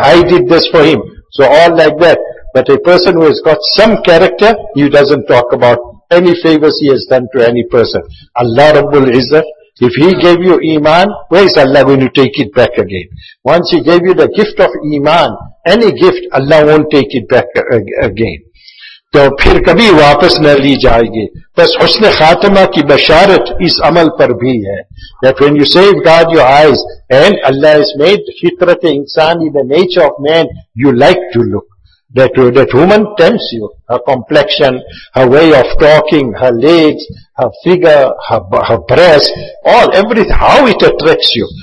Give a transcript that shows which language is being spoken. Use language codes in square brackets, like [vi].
[en] I did this for him. So all like that. But a person who has got some character, he doesn't talk about any favors he has done to any person. Allah Rabbul Izzah, if he gave you Iman, where is Allah going to take it back again? Once he gave you the gift of Iman, any gift, Allah won't take it back again. [ur] تو پھر کبھی واپس نہ لی جائے گی. بس حسن خاتمہ کی بشارت اس عمل پر بھی ہے. [en] That when you safeguard your eyes and Allah has made fitrat insan in the nature of man, you like to look. That woman tempts you. Her complexion, her way of talking, her legs, her figure, her breast, all, everything, how it attracts you.